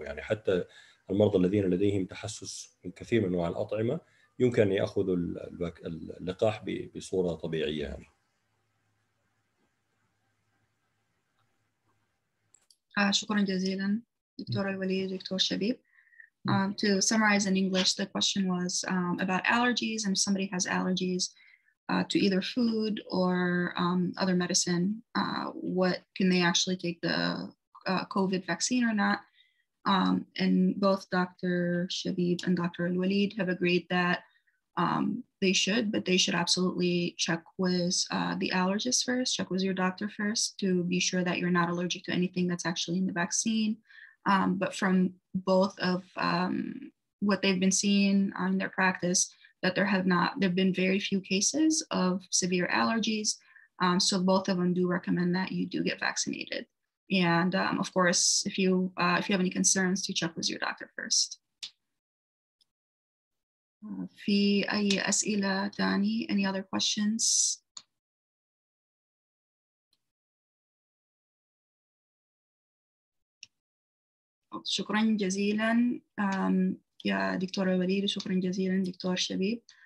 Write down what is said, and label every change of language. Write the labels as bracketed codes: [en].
[ar] يعني حتى المرضى الذين لديهم تحسس من كثير من أنواع الأطعمة يمكن أن يأخذوا اللقاح بصورة طبيعية يعني. شكرا جزيلا دكتور الوليد دكتور شبيب. [en] To summarize in English, the question was about allergies, and if somebody has allergies to either food or other medicine, what can they actually take the COVID vaccine or not. And both Dr. Shabib and Dr. Al-Waleed have agreed that they should, but they should absolutely check with the allergist first, check with your doctor first to be sure that you're not allergic to anything that's actually in the vaccine. But from both of what they've been seeing in their practice, that there've been very few cases of severe allergies. So both of them do recommend that you do get vaccinated. And of course, if you have any concerns, to check with your doctor first. [ar] في أي أسئلة تاني؟ [en] Any other questions? [ar] شكرا جزيلا يا دكتور الوليد وشكرا جزيلا دكتور شبيب.